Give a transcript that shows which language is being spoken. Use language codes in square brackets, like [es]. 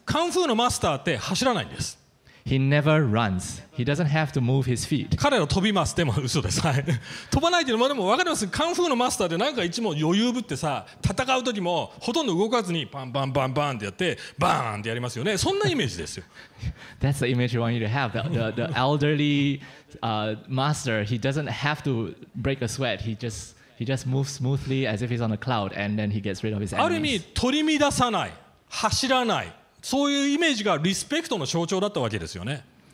[ja] カンフーのマスターって走らないんです。 [en] He never runs. He doesn't have to move his feet. [ja] 彼は飛びます。でも嘘です。飛ばないというのはでも分かります。カンフーのマスターってなんかいつも余裕ぶってさ、戦う時もほとんど動かずにバンバンバンバンってやって、バーンってやりますよね。そんなイメージですよ。 [en] That's the image you want you to have. The elderly master, he doesn't have to break a sweat. He just moves smoothly as if he's on a cloud and then he gets rid of his enemies. [ja] ある意味取り乱さない。走らない。そういうイメージがリスペクトの象徴だったわけですよね。